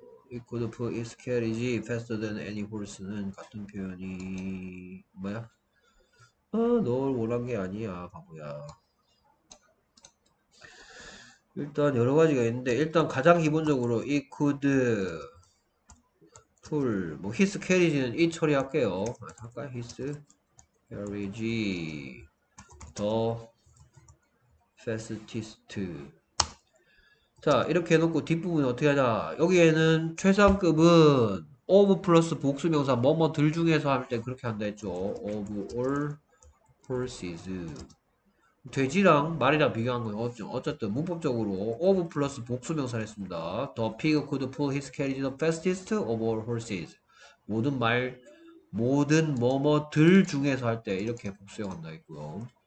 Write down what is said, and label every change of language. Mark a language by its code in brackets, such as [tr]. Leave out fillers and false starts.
[en] It could pull its carriage faster than any horse는 [ko] 같은 표현이 뭐야? 너를 원한 게 아니야, 바보야. 일단 여러 가지가 있는데 일단 가장 기본적으로 [en] it could pull [ko] 뭐 his carriage는 it 처리할게요. 할까? [en] his carriage the fastest. [ko] 자, 이렇게 해놓고 뒷부분 어떻게 하자? 여기에는 최상급은 of 플러스 복수명사 뭐뭐들 중에서 할때 그렇게 한다 했죠. [en] of all horses. [ko] 돼지랑 말이랑 비교한 건 없죠. 어쨌든 문법적으로 of 플러스 복수명사를 했습니다. [en] the pig could pull his carriage the fastest of all horses. [ko] 모든 말 모든 뭐뭐들 중에서 할때 이렇게 복수형 한다 했고요.